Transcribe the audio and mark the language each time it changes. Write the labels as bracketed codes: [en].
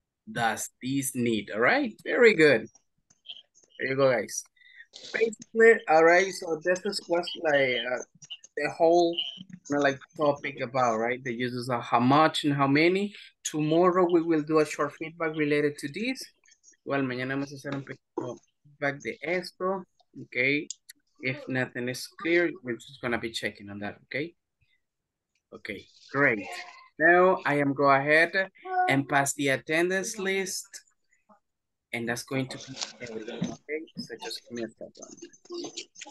[en] does this need? All right, very good. There you go, guys. Basically, all right, so this is what's like the whole, you know, like topic about, right? The uses of how much and how many. Tomorrow we will do a short feedback related to this. Well, [es] mañana vamos a hacer un pequeño feedback de esto. [en] Okay, if nothing is clear, we're just gonna be checking on that, okay? Okay, great. Now I am go ahead and pass the attendance list, and that's going to be everything, okay? So just give me a second.